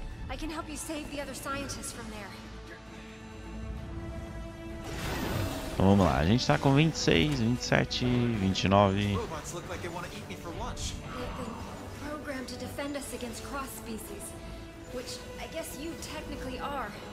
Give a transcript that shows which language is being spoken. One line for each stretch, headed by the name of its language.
English: I can help you save the other scientists from there.
Portuguese: Então vamos lá, a gente tá com 26, 27, 29.
English: Robots look like they want to eat me for lunch. They've been programmed to defend us against cross species, which I guess you technically are.